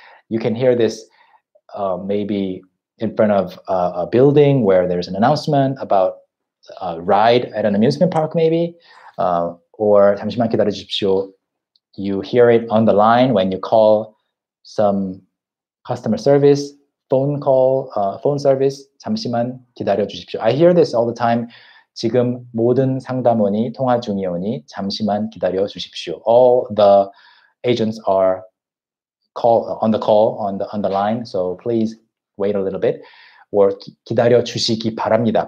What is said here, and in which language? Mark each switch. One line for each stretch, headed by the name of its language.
English: You can hear this maybe in front of a building where there's an announcement about a ride at an amusement park maybe. Or
Korean: 잠시만 기다려 주십시오.
English: You hear it on the line when you call some customer service, phone call, phone service,
Korean: 잠시만 기다려 주십시오.
English: I hear this all the time.
Korean: 지금 모든 상담원이 통화 중이오니 잠시만 기다려 주십시오.
English: All the agents are on the line, so please wait a little bit. Or
Korean: 기다려 주시기 바랍니다.